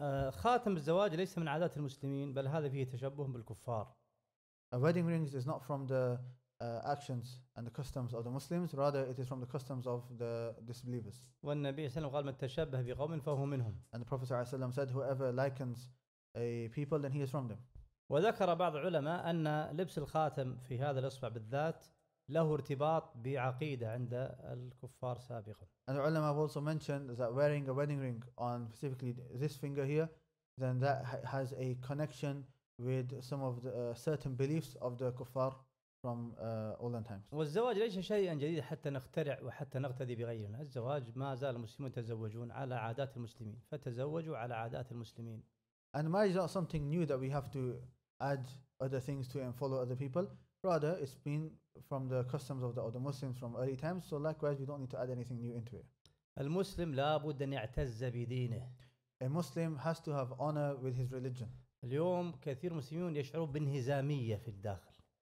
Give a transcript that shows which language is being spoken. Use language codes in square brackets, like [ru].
[ar] خاتم الزواج ليس من عادات المسلمين، بل هذا فيه تشبه بالكفار. [en] A wedding ring is not from the actions and the customs of the Muslims, rather it is from the customs of the disbelievers. [ar] والنبي صلى الله عليه وسلم قال: من تشبه بقوم فهو منهم. [en] And the Prophet [ar] صلى الله عليه وسلم [en] said, whoever likens a people, then he is from them. [ar] وذكر بعض العلماء أن لبس الخاتم في هذا الإصبع بالذات له ارتباط بعقيدة عند الكفار سابقا. [en] And the ulama have also mentioned that wearing a wedding ring on specifically this finger here, then that has a connection with some of the certain beliefs of the kuffar from olden times. [ar] والزواج ليس شيئا جديدا حتى نخترع وحتى نقتدي بغيرنا. الزواج ما زال المسلمون يتزوجون على عادات المسلمين، فتزوجوا على عادات المسلمين. [en] And marriage is not something new that we have to add other things to and follow other people. rather it's been from the customs of the Muslims from early times, so likewise we don't need to add anything new into it. [ar] المسلم لابد أن يعتز بدينه. [en] A Muslim has to have honor with his religion. [ar] اليوم كثير مسلمين يشعرون بانهزامية في الداخل.